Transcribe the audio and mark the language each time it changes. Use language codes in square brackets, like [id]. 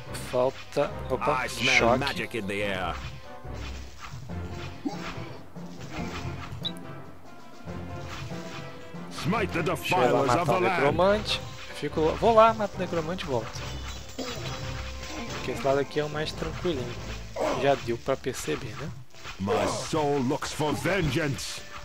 [pt] Falta. Opa, [en] I smell choque. Magic in the air. Smite the defilers of the land. [pt] Fico. Vou lá, mato o necromante e volto. Porque esse lado aqui é o mais tranquilinho. Já deu pra perceber, né? [en] My soul looks for vengeance.